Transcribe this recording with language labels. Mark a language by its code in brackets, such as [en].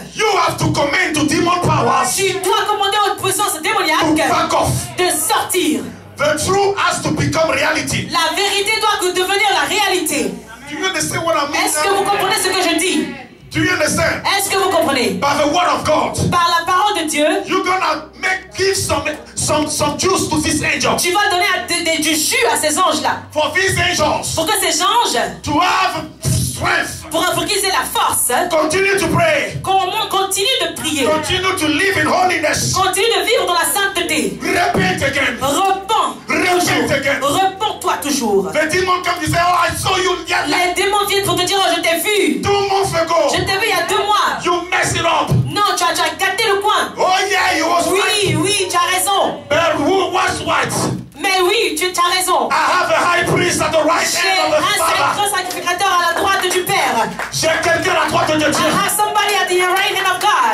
[en] You have to command to demon powers. [fr] Tu dois commander aux puissances démoniaques de sortir. [en] The truth has to become reality. [fr] La vérité doit devenir la réalité. Est-ce que vous comprenez ce que je dis? [en] Do you understand? [fr] Est-ce que vous comprenez? [en] By the word of God. [fr] Par la parole de Dieu. [en] You're gonna make give some juice to these angels. [fr] Tu vas donner du jus à ces anges là. [en] For these angels. [fr] Pour que ces anges. [en] To have strength. [fr] Pour qu'ils aient la force. [en] Continue to pray. [fr] Continue de prier. [en] Continue to live in holiness. [fr] Continue de vivre dans la sainteté. [en] Repent again. Repent. Repent again. [fr] Repent-toi toujours. [en] The demon comes to say, oh, I saw you yesterday. [fr] Les démons viennent pour te dire, oh, je t'ai vu. [en] 2 months ago. [fr] Je t'ai vu il y a 2 mois. [en] You messed it up. [fr] Non, tu as gâté le coin. [en] Oh yeah, you was [fr] right. Oui, tu as raison. [en] But who was what? [fr] Mais oui, tu as raison. [en] I have a high priest at the right hand of the Father. [fr] J'ai un grand sacrificateur à la droite du Père. J'ai quelqu'un à la droite de Dieu. [en] I have somebody at the right hand of God.